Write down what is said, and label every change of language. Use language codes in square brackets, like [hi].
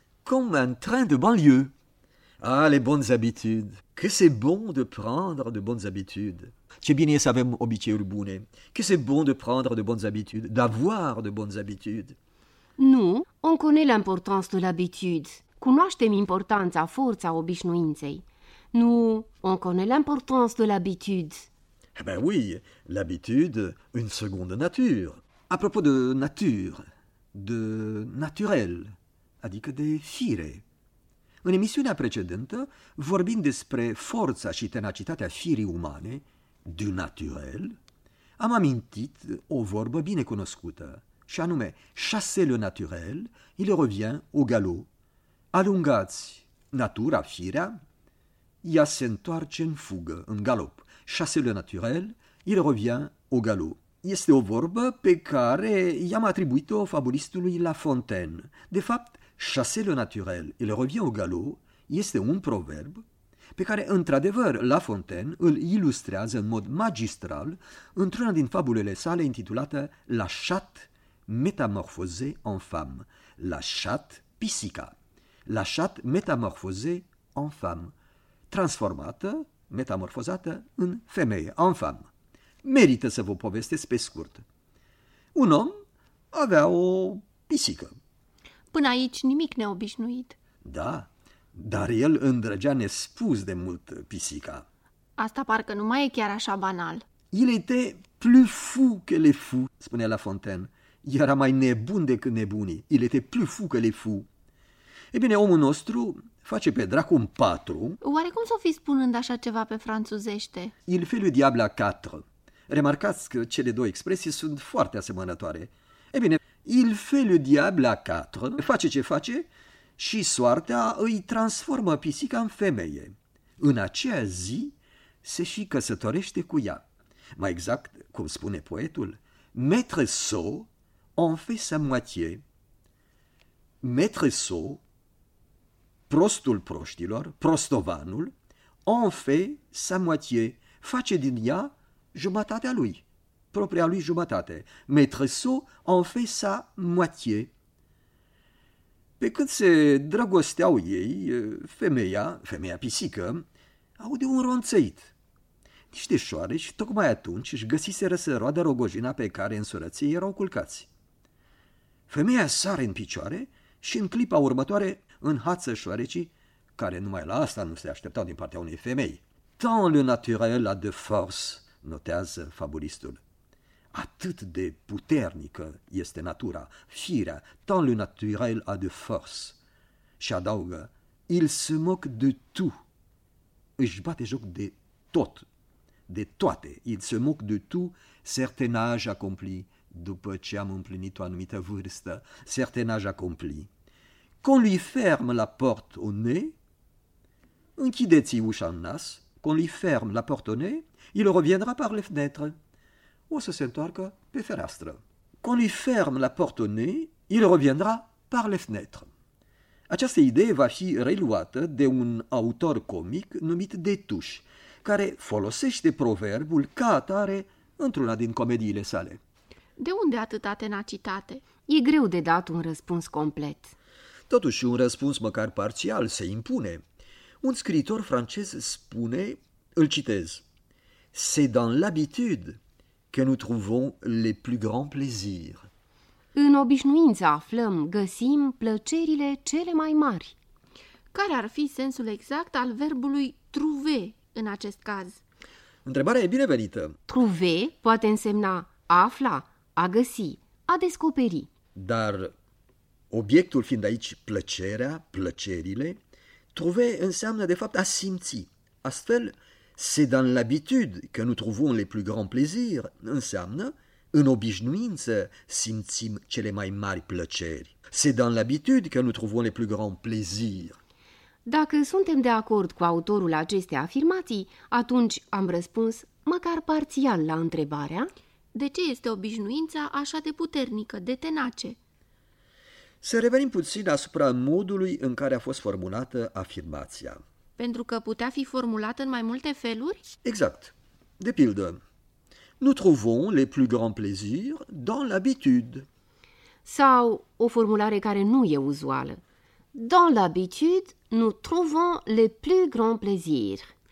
[fr] Comme un train de banlieue. Ah, les bonnes habitudes. Que c'est bon de prendre de bonnes habitudes. C'è bien et savem [ro] obicei bune. [fr] Que c'est bon de prendre de bonnes habitudes, d'avoir de bonnes habitudes. Nous, on connaît l'importance de l'habitude. [ro] Cunoaștem importanța forța obișnuinței. [fr] Nous, on connaît l'importance de l'habitude. Eh ben oui, l'habitude, une seconde nature. À propos de nature, de naturel, [ro] adică de fire. În emisiunea precedentă, vorbind despre forța și tenacitatea firii umane, [fr] du naturel, [ro] am amintit o vorbă bine cunoscută, și anume, [fr] chassez le naturel, il revient au galop. [ro] Alungați natura, firea, ea se întoarce în fugă, în galop. [fr] Chassez le naturel, il revient au galop. [ro] Este o vorbă pe care i-am atribuit-o fabulistului La Fontaine. De fapt, [fr] chassez le naturel, il revient au galop, [ro] este un proverb pe care, într-adevăr, La Fontaine îl ilustrează în mod magistral într-una din fabulele sale intitulată La chat métamorphosée en femme, La chat pisica, La chat métamorphosée en femme, transformată, metamorfozată în femeie, en femme. Merită să vă povestesc pe scurt. Un om avea o pisică. Până aici nimic neobișnuit. Da, dar el îndrăgea nespus de mult pisica. Asta parcă nu mai e chiar așa banal. [fr] Il était plus fou que les fous, [ro] spunea [fr] La Fontaine. [ro] Era mai nebun decât nebunii. [fr] Il était plus fou que les fous. [ro] E bine, omul nostru face pe dracu un patru. Oare cum s-o fi spunând așa ceva pe franțuzește? [fr] Il fait le diable à quatre. [ro] Remarcați că cele două expresii sunt foarte asemănătoare. E bine, [fr] il fait le diable à quatre, [ro] face ce face și soarta îi transformă pisica în femeie. În acea zi se și căsătorește cu ea. Mai exact, cum spune poetul, Maître Sot [fr] en fait sa moitié. [ro] Maître Sot, prostul proștilor, prostovanul, [fr] en fait sa moitié, [ro] face din ea jumătatea lui, propria lui jumătate. [fr] Maître Sot en fait sa moitié. [ro] Pe când se drăgosteau ei, femeia pisică, aude un ronțăit. Niște șoareci, tocmai atunci, își găsiseră să roadă rogojina pe care în surății erau culcați. Femeia sare în picioare și în clipa următoare înhață șoarecii, care numai la asta nu se așteptau din partea unei femei. [fr] Tant le naturel a de force, [ro] notează fabulistul. Atât de puternică este natura, firea, [fr] tant le naturel a de force. [ro] Și adaugă, [fr] il se moque de tout. [ro] Își bate joc de tot, de toate. [fr] Il se moque de tout, certain âge accompli, [ro] după ce am împlinit o anumită vârstă, [fr] certain âge accompli. Qu'on lui ferme la porte au nez, [ro] închideți-i ușa în nas, [fr] qu'on lui ferme la porte au nez, il reviendra par les fenêtres. [ro] O să se întoarcă pe fereastră. [fr] Qu'on lui ferme la porte au nez, il reviendra par les fenêtres. [ro] Această idee va fi reluată de un autor comic numit Détouche, care folosește proverbul ca atare într-una din comediile sale. De unde atâta tenacitate? E greu de dat un răspuns complet. Totuși, un răspuns măcar parțial se impune. Un scriitor francez spune, îl citez, [fr] C'est dans l'habitude que nous trouvons les plus grands plaisirs. [ro] În obișnuință aflăm, găsim plăcerile cele mai mari. Care ar fi sensul exact al verbului trouver în acest caz? Întrebarea e binevenită. Trouver poate însemna a afla, a găsi, a descoperi. Dar Obiectul fiind aici plăcerea, plăcerile, trouver înseamnă de fapt a simți. Astfel, [fr] c'est dans l'habitude que nous trouvons les plus grands plaisirs, [ro] înseamnă în obișnuință simțim cele mai mari plăceri. [fr] C'est dans l'habitude que nous trouvons les plus grands plaisirs. [ro] Dacă suntem de acord cu autorul acestei afirmații, atunci am răspuns măcar parțial la întrebarea: de ce este obișnuința așa de puternică, de tenace? Să revenim puțin asupra modului în care a fost formulată afirmația. Pentru că putea fi formulată în mai multe feluri? Exact. De pildă, [fr] nous trouvons les plus grands plaisirs dans l'habitude. [ro] Sau o formulare care nu e uzuală. [fr] Dans l'habitude, nous trouvons les plus grands plaisirs.